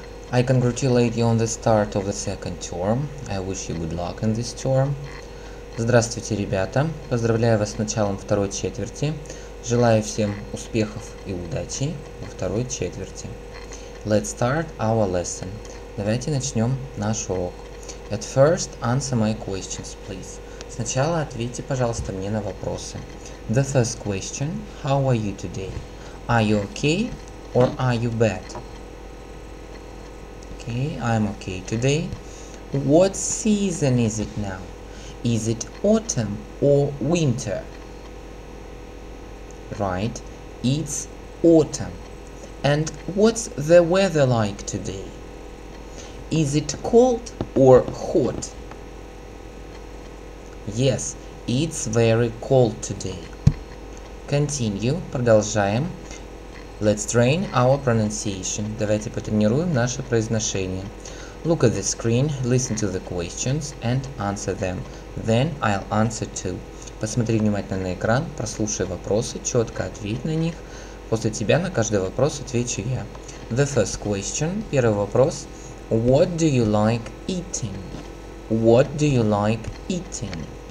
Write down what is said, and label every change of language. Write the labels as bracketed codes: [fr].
[en] I congratulate you on the start of the second term. I wish you good luck in this term. [ru] Здравствуйте, ребята. Поздравляю вас с началом второй четверти. Желаю всем успехов и удачи во второй четверти. [en] Let's start our lesson. [ru] Давайте начнем наш урок. [en] At first, answer my questions, please. [ru] Сначала ответьте, пожалуйста, мне на вопросы. [en] The first question. How are you today? Are you okay? Or are you bad? Okay, I'm okay today. What season is it now? Is it autumn or winter? Right, it's autumn. And what's the weather like today? Is it cold or hot? Yes, it's very cold today. Continue, [ru] продолжаем. [en] Let's train our pronunciation. [ru] Давайте потренируем наше произношение. [en] Look at the screen, listen to the questions and answer them. Then I'll answer too. [ru] Посмотри внимательно на экран, прослушай вопросы, четко ответь на них. После тебя на каждый вопрос отвечу я. [en] The first question, [ru] первый вопрос. [en] What do you like eating? What do you like eating?